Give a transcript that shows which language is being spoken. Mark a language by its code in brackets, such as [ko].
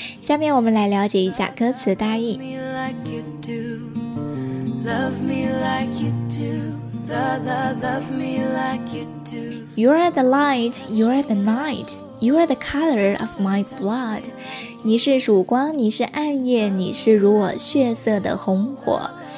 [zh] 下面我们来了解一下歌词大意。 [en] Love me like you do, love me like you do, love me like you do. You're the light, you're the night, you're the color of my blood. [zh] 你是曙光，你是暗夜，你是如我血色的红火。